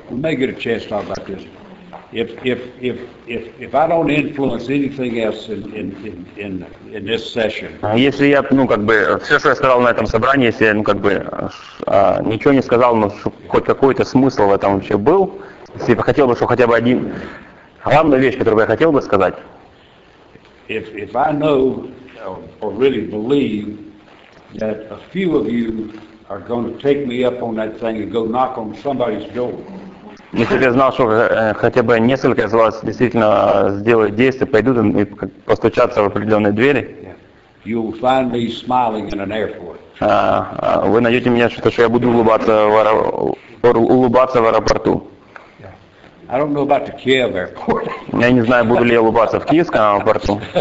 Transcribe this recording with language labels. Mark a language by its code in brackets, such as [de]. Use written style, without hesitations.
[en] We may get a chance to talk about this. If I don't influence anything else in this session. [ru] Если я, все, что я сказал на этом собрании, если я, ничего не сказал, но хоть какой-то смысл в этом вообще был, если бы хотел бы, чтобы хотя бы один главная вещь, которую бы я хотел бы сказать. [en] If I know or really believe that a few of you are going to take me up on that thing and go knock on somebody's door. [ru] Если я знал, что хотя бы несколько из вас действительно сделают действие, пойдут и постучатся в определенные двери. [en] You'll find me smiling in an airport. [ru] Вы найдете меня, что я буду улыбаться в аэропорту. [en] I don't know about the Kiev airport. [ru] Я не знаю, буду ли я улыбаться в Киевском аэропорту.